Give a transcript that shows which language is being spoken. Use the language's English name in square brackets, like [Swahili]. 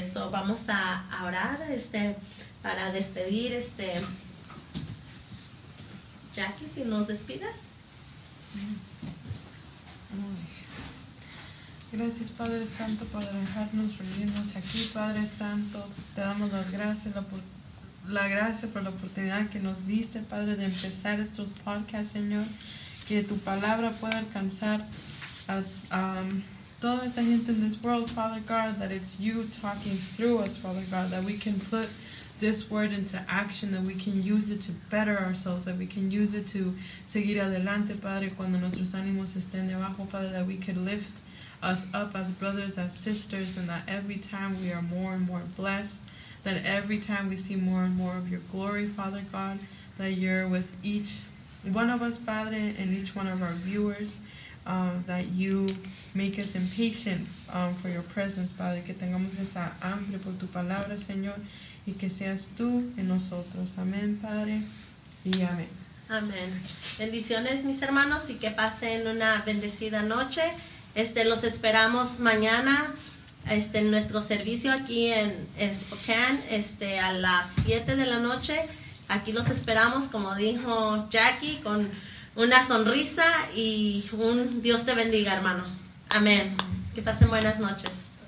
[Spanish] Vamos a orar para despedir Jackie, si nos despides. Gracias, Padre Santo, por dejarnos reunirnos aquí, Padre Santo. Te damos las gracias, la gracia por la oportunidad que nos diste, Padre, de empezar estos podcasts, Señor. Que tu palabra pueda alcanzar a toda esta gente [English] in this world, Father God, that it's you talking through us, Father God, that we can put this word into action, that we can use it to better ourselves, that we can use it to [Spanish] seguir adelante, Padre, cuando nuestros ánimos estén debajo, Padre, [English] that we could lift us up as brothers, as sisters, and that every time we are more and more blessed, that every time we see more and more of your glory, Father God, that you're with each one of us, Padre, and each one of our viewers, that you make us impatient for your presence, Padre, [Spanish] que tengamos esa hambre por tu palabra, Señor, y que seas tú en nosotros. Amén, Padre, y amén. Amén. Bendiciones, mis hermanos, y que pasen una bendecida noche. Los esperamos mañana Este, nuestro servicio aquí en Spokane, este, a las 7 de la noche. Aquí los esperamos, como dijo Jackie, con una sonrisa y un Dios te bendiga, hermano. Amén. Que pasen buenas noches.